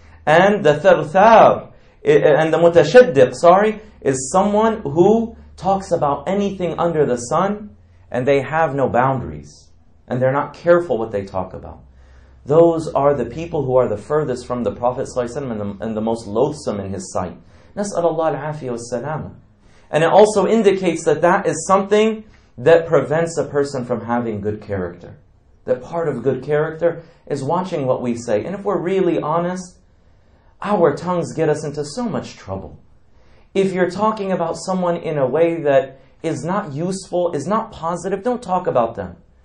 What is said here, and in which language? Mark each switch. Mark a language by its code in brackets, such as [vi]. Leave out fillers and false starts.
[en] And the ثرثار, and the متشدق, sorry, is someone who talks about anything under the sun and they have no boundaries. And they're not careful what they talk about. Those are the people who are the furthest from the Prophet ﷺ and the most loathsome in his sight. [ar] نسأل الله العافية والسلامة. [en] And it also indicates that that is something that prevents a person from having good character. That part of good character is watching what we say. And if we're really honest, our tongues get us into so much trouble. If you're talking about someone in a way that is not useful, is not positive, don't talk about them.